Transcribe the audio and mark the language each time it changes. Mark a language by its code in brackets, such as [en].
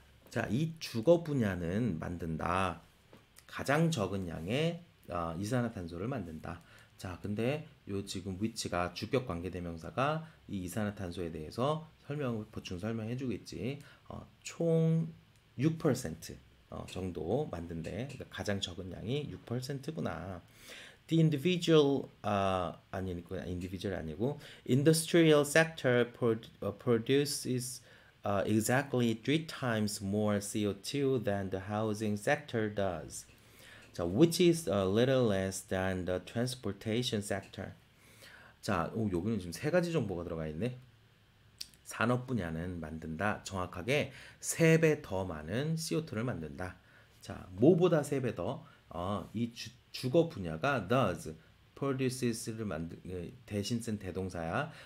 [ko] 자, 이 주거 분야는 만든다. 가장 적은 양의 이산화탄소를 만든다. 자, 근데 요 지금 위치가 주격 관계대명사가 이 이산화탄소에 대해서 설명을 보충 설명해 주고 있지. 총 6% 정도 만든대. 그러니까 가장 적은 양이 6%구나. [en] The individual, industrial sector produces exactly 3 times more CO2 than the housing sector does. So, which is a little less than the transportation sector. [ko] 자, 오, 여기는 지금 세 가지 정보가 들어가 있네. 산업 분야는 만든다. 정확하게 세 배 더 많은 CO2를 만든다. 자, 뭐보다 세 배 더? 이 주거 분야가 does, produces를 대신 쓴 대동사야.